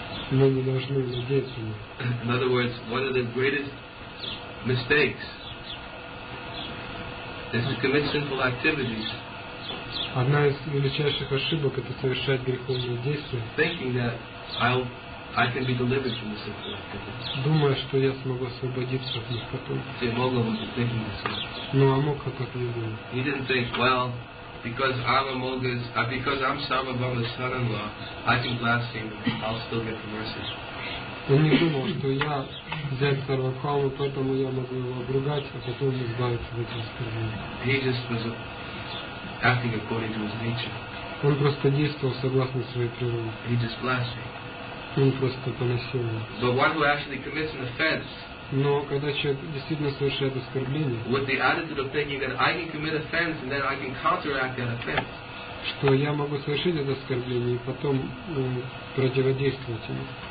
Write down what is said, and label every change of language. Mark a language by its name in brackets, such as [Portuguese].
[Russian] Мы не должны надеяться на это. [English] Mistakes. This is commit sinful activities. [Russian] Одна из величайших ошибок — это совершать греховные действия. [English] Thinking that I can be delivered from the sinful activities. [Russian] Думая, что я смогу освободиться от них потом. [English] See, Amoga wasn't thinking this way. [Russian] Но Амока так не думал. [English] He didn't think, well, because I'm Sarvabhauma's son-in-law, I can blaspheme, I'll still get the mercy. [Russian] Он не думал, что я взять Сарвабхауму, поэтому я могу его обругать, а потом избавиться от этого оскорбления. Он просто действовал согласно своей природе. [English] He just blasphemed. [Russian] Он просто поносил его. [English] But one who actually commits an offense. [Russian] Но когда человек действительно совершает оскорбление, [English] with the attitude of thinking that I can commit offense and then I can counteract that offense. [Russian] Что я могу совершить это оскорбление и потом противодействовать ему.